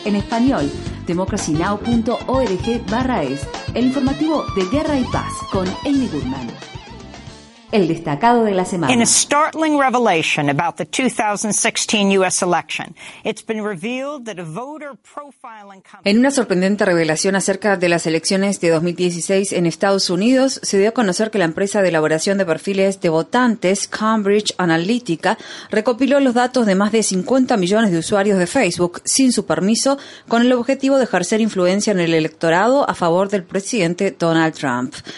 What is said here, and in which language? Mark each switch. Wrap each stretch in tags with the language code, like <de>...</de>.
<es>En español, democracynow.org/es, el informativo de guerra y paz con Amy Goodman. El destacado de la semana.</es> <en>In a startling revelation about the 2016 U.S. election, it's been revealed that a voter profiling company...</en> <es>En una sorprendente revelación acerca de las elecciones de 2016 en Estados Unidos, se dio a conocer que la empresa de elaboración de perfiles de votantes, Cambridge Analytica, recopiló los datos de más de 50 millones de usuarios de Facebook sin su permiso, con el objetivo de ejercer influencia en el electorado a favor del presidente Donald Trump.</es>